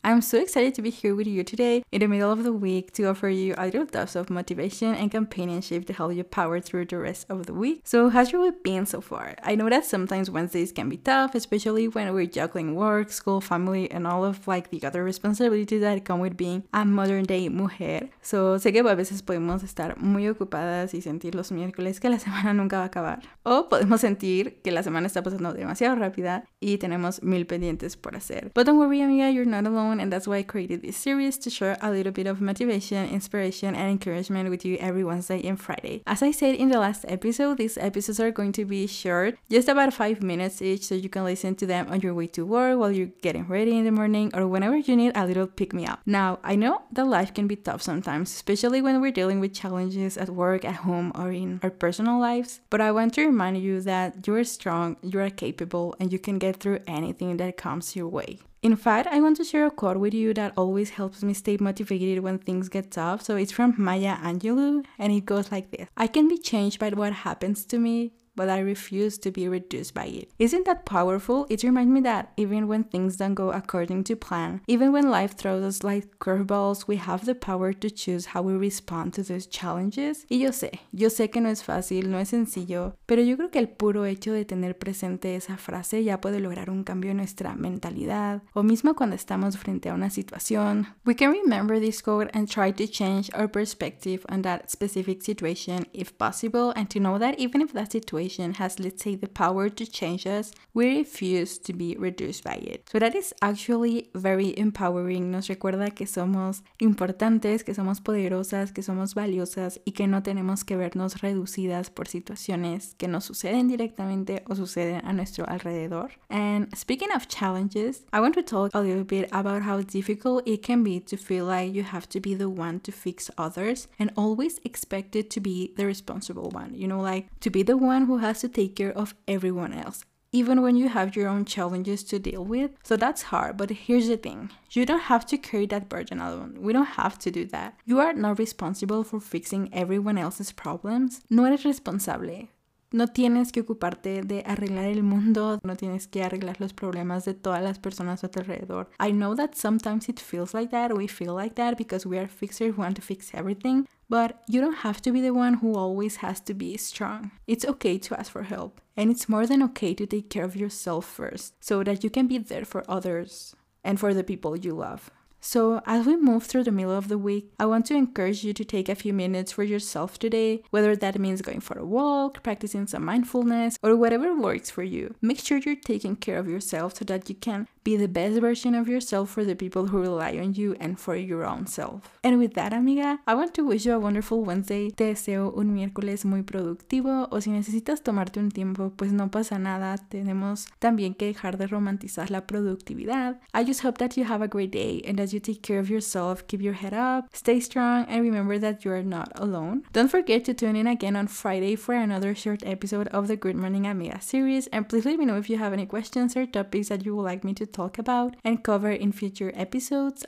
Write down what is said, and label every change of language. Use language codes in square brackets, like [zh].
[en] I'm so excited to be here with you today in the middle of the week to offer you a little dose of motivation and companionship to help you power through the rest of the week. So how's your week been so far? I know that sometimes Wednesdays can be tough, especially when we're juggling work, school, family, and all of like the other responsibilities that come with being a modern day mujer. [es] So sé que a veces podemos estar muy ocupadas y sentir los miércoles que la semana nunca va a acabar. O podemos sentir que la semana está pasando demasiado rápida y tenemos mil pendientes por hacer. [en] But don't worry, Amiga, you're not alone, and that's why I created this series to share a little bit of motivation, inspiration, and encouragement with you every Wednesday and Friday. As I said in the last episode, these episodes are going to be short, just about 5 minutes each, so you can listen to them on your way to work, while you're getting ready in the morning, or whenever you need a little pick-me-up. Now, I know that life can be tough sometimes, especially when we're dealing with challenges at work, at home, or in our personal lives, but I want to remind you that you are strong, you are capable, and you can get through anything that comes your way. In fact, I want to share a quote with you that always helps me stay motivated when things get tough. So it's from Maya Angelou, and it goes like this. I can be changed by what happens to me, but I refuse to be reduced by it. Isn't that powerful? It reminds me that even when things don't go according to plan, even when life throws us like curveballs, we have the power to choose how we respond to those challenges. [es] Y yo sé que no es fácil, no es sencillo, pero yo creo que el puro hecho de tener presente esa frase ya puede lograr un cambio en nuestra mentalidad. O mismo cuando estamos frente a una situación. [en] We can remember this quote and try to change our perspective on that specific situation if possible, and to know that even if that situation has, let's say, the power to change us, we refuse to be reduced by it. So that is actually very empowering. [es] Nos recuerda que somos importantes, que somos poderosas, que somos valiosas y que no tenemos que vernos reducidas por situaciones que nos suceden directamente o suceden a nuestro alrededor. [en] And speaking of challenges, I want to talk a little bit about how difficult it can be to feel like you have to be the one to fix others and always expected to be the responsible one. You know, like to be the one who has to take care of everyone else, even when you have your own challenges to deal with. So that's hard, but here's the thing. You don't have to carry that burden alone. We don't have to do that. You are not responsible for fixing everyone else's problems. [es] No eres responsable. No tienes que ocuparte de arreglar el mundo. No tienes que arreglar los problemas de todas las personas a tu alrededor. [en] I know that sometimes it feels like that. We feel like that because we are fixers who want to fix everything. But you don't have to be the one who always has to be strong. It's okay to ask for help. And it's more than okay to take care of yourself first so that you can be there for others and for the people you love. So as we move through the middle of the week, I want to encourage you to take a few minutes for yourself today, whether that means going for a walk, practicing some mindfulness, or whatever works for you. Make sure you're taking care of yourself so that you can be the best version of yourself for the people who rely on you and for your own self. And with that, amiga, I want to wish you a wonderful Wednesday. [es] Te deseo un miércoles muy productivo. O si necesitas tomarte un tiempo, pues no pasa nada. Tenemos también que dejar de romantizar la productividad. [en] I just hope that you have a great day and that you take care of yourself. Keep your head up, stay strong, and remember that you are not alone. Don't forget to tune in again on Friday for another short episode of the Good Morning Amiga series. And please let me know if you have any questions or topics that you would like me to talk about and cover in future episodes.